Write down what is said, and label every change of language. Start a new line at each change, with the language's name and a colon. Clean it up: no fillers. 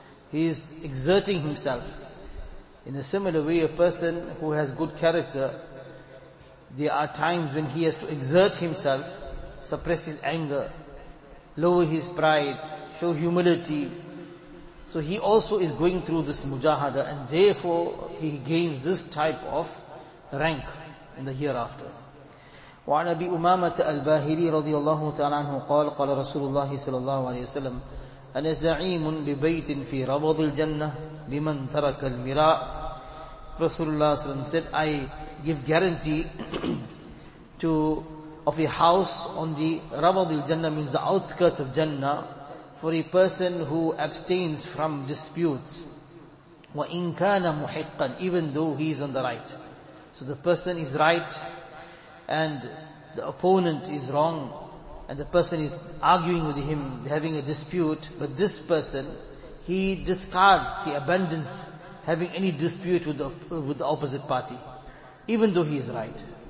English: He is exerting himself. In a similar way, a person who has good character, there are times when he has to exert himself, suppress his anger, lower his pride, show humility. So he also is going through this mujahada, and therefore he gains this type of rank in the hereafter.
Arabic: وعن أبي أمامة الباهلي رضي الله تعالى عنه قال قال رسول الله صلى الله عليه وسلم أنا زعيم لبيت في ربض الجنة لمن ترك المراء.
English: رسول الله
Arabic: صلى الله عليه وسلم
English: said I give guarantee to of a house on the ربض الجنة, means the outskirts of Jannah, for a person who abstains from disputes.
Arabic: وإن كان محقا,
English: even though he is on the right. So the person is right and the opponent is wrong, and the person is arguing with him, having a dispute, but this person, he discards, he abandons having any dispute with the opposite party, even though he is right.